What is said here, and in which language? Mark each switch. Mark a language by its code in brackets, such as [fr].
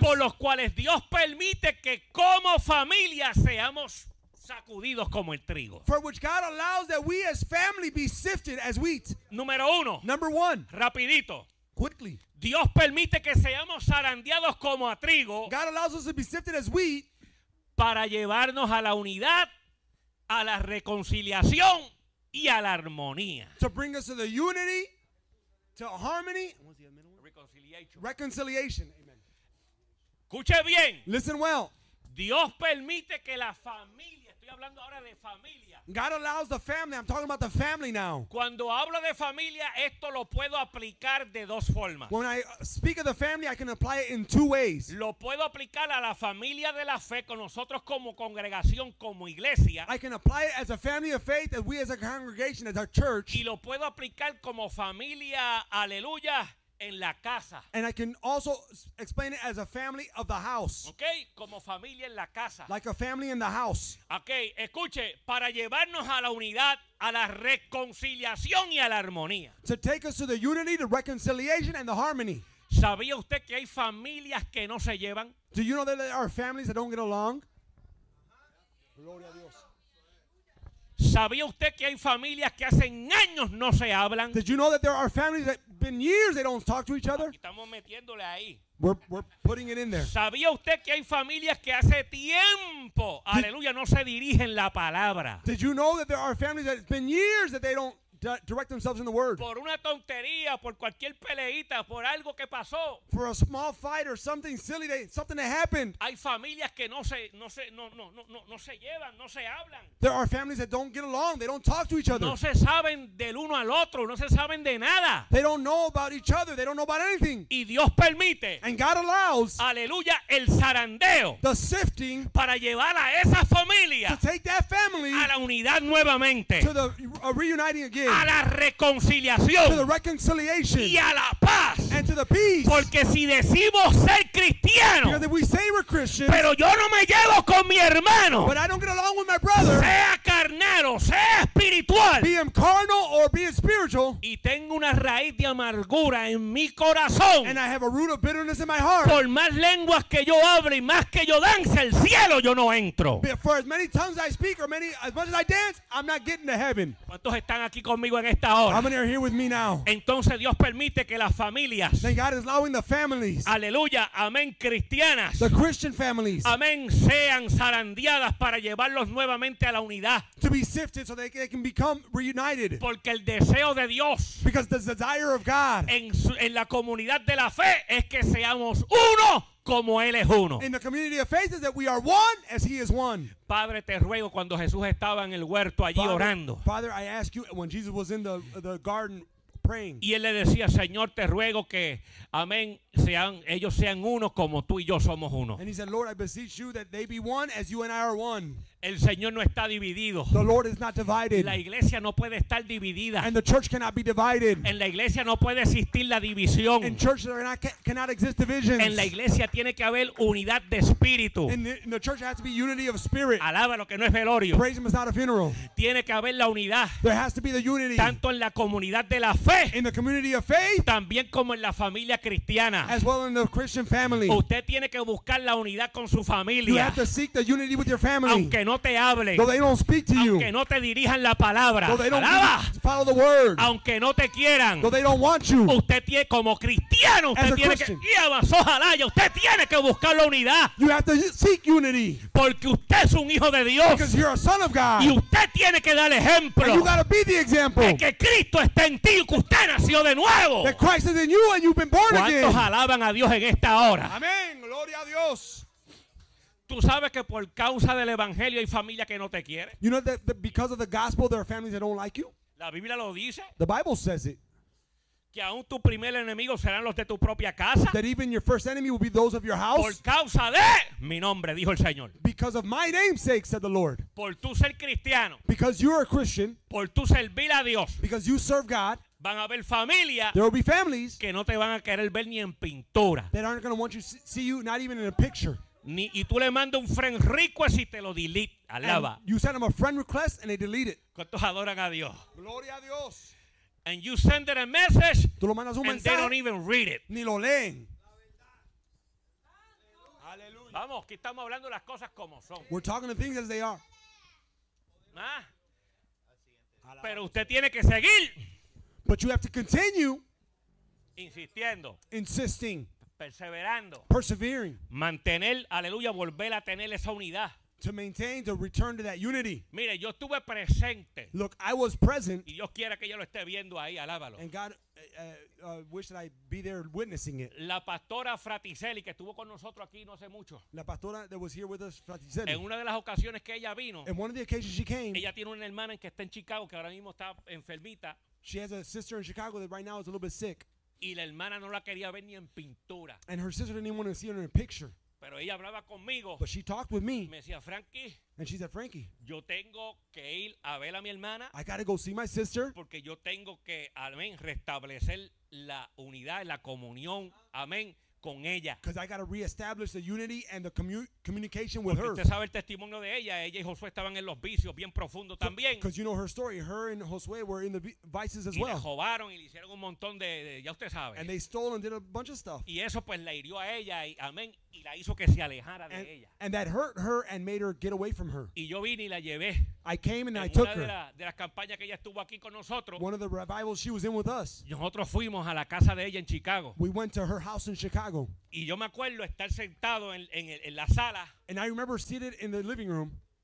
[es] por los cuales Dios permite que como familia seamos sacudidos como el trigo. [en] For which God allows that we as family be sifted as wheat. [es] Número uno. [en] Number one. [es] Rapidito. [en] quickly. [es] Dios permite que seamos zarandeados como a trigo. [en] God allows us to be sifted as wheat. [es] Para llevarnos a la unidad, a la reconciliación y a la armonía. [en] To bring us to the unity, to harmony. Reconciliation. Reconciliation. Amen. [es] Escuche bien. [en] Listen well. [es] Dios permite que la familia, estoy hablando ahora de familia. [en] God allows the family, I'm talking about the family now. [es] Cuando hablo de familia, esto lo puedo aplicar de dos formas. [en] When I speak of the family, I can apply it in two ways. [es] Lo puedo aplicar a la familia de la fe con nosotros como congregación, como iglesia. [en] I can apply it as a family of faith, as we as a congregation, as our church. [es] Y lo puedo aplicar como familia, aleluya, en la casa. [en] And I can also explain it as a family of the house. [es] Okay, como familia en la casa. [en] Like a family in the house. [es] Okay, escuche, para llevarnos a la unidad, a la reconciliación y a la armonía. [en] To take us to the unity, the reconciliation and the harmony. [es] ¿Sabía usted que hay familias que no se llevan? [en] Do you know that there are families that don't get along? [es] Gloria a Dios. ¿Sabía usted que hay familias que hace años no se hablan? [en] Did you know that there are families that been years they don't talk to each other? [es] Estamos metiéndole ahí. [en] We're putting it in there. [es] ¿Sabía usted que hay familias que hace tiempo, aleluya, no se dirigen la palabra? [en] Did you know that there are families that it's been years that they don't direct themselves in the word? [es] Por una tontería, por cualquier peleita, por algo que pasó. [en] For a small fight or something silly, something that happened. [es] Hay familias que no se llevan, no se hablan. [en] There are families that don't get along, they don't talk to each other. [es] No se saben del uno al otro, no se saben de nada. [en] They don't know about each other, they don't know about anything. [es] Y Dios permite. [en] And God allows. [es] Aleluya, el zarandeo. [en] The sifting. [es] Para llevar a esa familia. [en] To take that family. [es] A la unidad nuevamente. [en] To the reuniting again. [es] A la reconciliación, [en] to the reconciliation, [es] y a la paz, [en] and to the peace. [es] Porque si decimos ser cristiano, [en] because if we say we're Christian, [es] pero yo no me llevo con mi hermano, [en] but I don't get along with my brother, [es] sea carnal o sea espiritual, [en] be him carnal or be him spiritual, [es] y tengo una raíz de amargura en mi corazón, [en] and I have a root of bitterness in my heart, [es] por más lenguas que yo hable y más que yo dance, el cielo yo no entro. [en] For as many tongues I speak or many as much as I dance, I'm not getting to heaven. [es] ¿Cuántos están aquí conmigo en esta hora? [en] How many are here with me now? [es] Entonces Dios permite que las familias, [en] then God is allowing the families, [es] aleluya, amén, cristianas, [en] the Christian families, [es] amén, sean zarandeadas para llevarlos nuevamente a la unidad, [en] to be sifted so they can become reunited, [es] porque el deseo de Dios, [en] because the desire of God, [es] en la comunidad de la fe es que seamos uno como Él es uno. [en] In the community of faith is that we are one as He is one. [es] Padre, te ruego, cuando Jesús estaba en el huerto allí orando. [en] Father, I ask you, when Jesus was in the garden praying. [es] Y Él le decía, Señor, te ruego que, amén, sean, ellos sean uno como tú y yo somos uno. [en] And He said, Lord, I beseech you that they be one as you and I are one. [es] El Señor no está dividido. [en] The Lord is not divided. [es] La iglesia no puede estar dividida. [en] And the church cannot be divided. [es] En la iglesia no puede existir la división. [en] In church there cannot exist divisions. [es] En la iglesia tiene que haber unidad de espíritu. [en] In the church has to be unity of spirit. [es] Alaba lo que no es velorio. [en] Praise him is not a funeral. [es] Tiene que haber la unidad. [en] There has to be the unity. [es] Tanto en la comunidad de la fe. [en] In the community of faith. [es] También como en la familia cristiana. [en] As well in the Christian family. [es] Usted tiene que buscar la unidad con su familia. [en] You have to seek the unity with your family. [es] Aunque no te hable, [en] though they don't speak to you, [es] aunque no te dirijan la palabra, [en] though they don't [es] alaba, [en] follow the word, [es] aunque no te quieran, [en] though they don't want you, [es] usted tiene, como cristiano, usted tiene que, y avanzó jalaya, usted tiene que buscar la unidad, [en] you have to seek unity, [es] porque usted es un hijo de Dios, [en] because you're a son of God, [es] y usted tiene que dar ejemplo, [en] and you gotta be the example, [es] de que Cristo está en ti, que usted nació de nuevo, [en] that Christ is in you and you've been born again. [es] ¿Cuántos alaban a Dios en esta hora? Amén, gloria a Dios. Tú sabes que por causa del evangelio hay familias que no te quieren. [en] You know that because of the gospel there are families that don't like you. [es] La Biblia lo dice. [en] The Bible says it. [es] Que aún tu primer enemigo serán los de tu propia casa. [en] That even your first enemy will be those of your house. [es] Por causa de mi nombre, dijo el Señor. [en] Because of my name's sake, said the Lord. [es] Por tu ser cristiano. [en] Because you are a Christian. [es] Por tu servir a Dios. [en] Because you serve God. [es] Van a haber familias. [en] There will be families. [es] Que no te van a querer ver ni en pintura. [en] That aren't going to want you to see you, not even in a picture. [es] Ni, y tú le mandas un [en] friend request [es] y te lo [en] delete. [es] Alaba. [en] And you send them a friend request and they delete it. [es] ¿Cuántos adoran a Dios? Gloria a Dios. [en] And you send them a message. [es] Tú lo mandas un [en] and [es] mensaje, [en] they don't even read it. [es] Ni lo leen. Aleluya. Vamos, aquí estamos hablando las cosas como son. [en] We're talking the things as they are. [es] ¿Ah? Pero usted tiene que seguir. [en] But you have to continue. [es] Insistiendo. [en] Insisting. [es] Perseverando. [en] Persevering. [es] Mantener, aleluya, volver a tener esa unidad. [en] To maintain, to return to that unity. [es] Mire, yo estuve presente. [en] Look, I was present. [es] Y Dios quiera que yo lo esté viendo ahí, alábalo. [en] And God, wish that I be there witnessing it. [es] La pastora Fraticelli, que estuvo con nosotros aquí no hace mucho. [en] La pastora that was here with us, Fraticelli. [es] En una de las ocasiones que ella vino. [en] In one of the occasions she came. [es] Ella tiene una hermana que está en Chicago, que ahora mismo está enfermita. [en] She has a sister in Chicago that right now is a little bit sick. [es] Y la hermana no la quería ver ni en pintura. [en] And her sister didn't even want to see her in a picture. [es] Pero ella hablaba conmigo. [en] But she talked with me. [es] Me decía, Frankie. [en] And she said, Frankie. [es] Yo tengo que ir a ver a mi hermana. [en] I gotta go see my sister. [es] Porque yo tengo que, amén, restablecer la unidad, la comunión, amén, con ella. [en] Because I gotta reestablish the unity and the communication with her. [es] Porque usted sabe el testimonio de ella. Ella y Josué estaban en los vicios bien profundos también. [en] Because you know her story. Her and Josué were in the vices as well. [es] Y le robaron y le hicieron un montón de, ya usted sabe. [en] And they stole and did a bunch of stuff. [es] Y eso pues la hirió a ella, y, amén. Y la hizo que se alejara de ella. [en] And that hurt her and made her get away from her. [es] Y yo vine y la llevé. [en] I came and I took her. [es] De las campañas que ella estuvo aquí con nosotros. [en] One of the revivals she was in with us. [es] Nosotros fuimos a la casa de ella en Chicago. [en] We went to her house in Chicago. [es] Y yo me acuerdo estar sentado en la sala. [en] And I remember seated in the living room.